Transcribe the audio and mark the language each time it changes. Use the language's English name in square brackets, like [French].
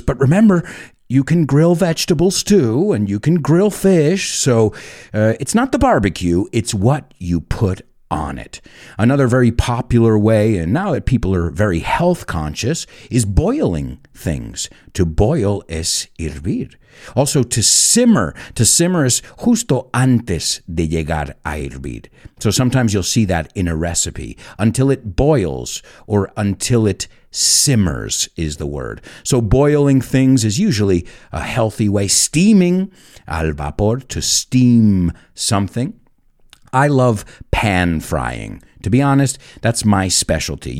[English] But remember, you can grill vegetables too, and you can grill fish. So it's not the barbecue, it's what you put on it. Another very popular way, and now that people are very health conscious, is boiling things. To boil [Spanish] es hervir. [English] Also, to simmer. To simmer [Spanish] es justo antes de llegar a hervir. [English] So sometimes you'll see that in a recipe. Until it boils, or until it simmers is the word. So boiling things is usually a healthy way. Steaming, al vapor, to steam something. I love pan frying. To be honest, that's my specialty.